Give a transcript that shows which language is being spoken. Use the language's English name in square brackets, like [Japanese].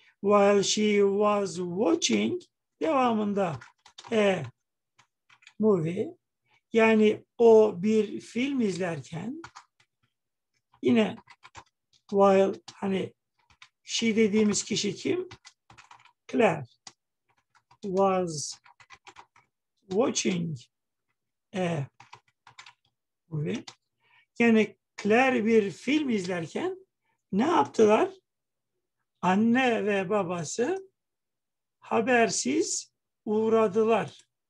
[English] While she was watching, [Turkish] devamında [English] a movie. [Turkish] Yani o bir film izlerken, yine while, hani she dediğimiz kişi kim? [English] Claire was watching a movie. [Turkish] Yani Claire bir film izlerken ne yaptılar? Anne ve babası habersiz uğradılar.